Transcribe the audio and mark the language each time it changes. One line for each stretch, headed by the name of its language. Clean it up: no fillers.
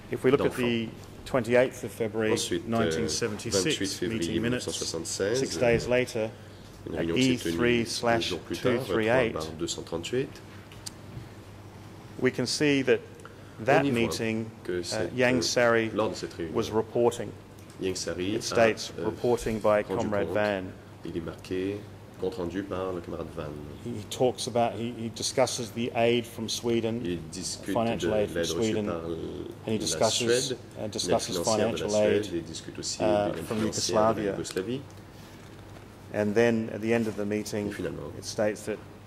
English: if we look at the 28th of February,
French: ensuite,
English: 1976, meeting minutes, 6 days later, E3/238, we can see that that meeting, Yang Sari was reporting.
French: Yang Sari
English: it states, reporting by Comrade Van.
French: Il est marqué, compte rendu par le camarade Van.
English: He talks about, he discusses the aid from Sweden, financial aid from Sweden, and he discusses, discusses financial aid from Yugoslavia. And then at the end of the meeting, it states that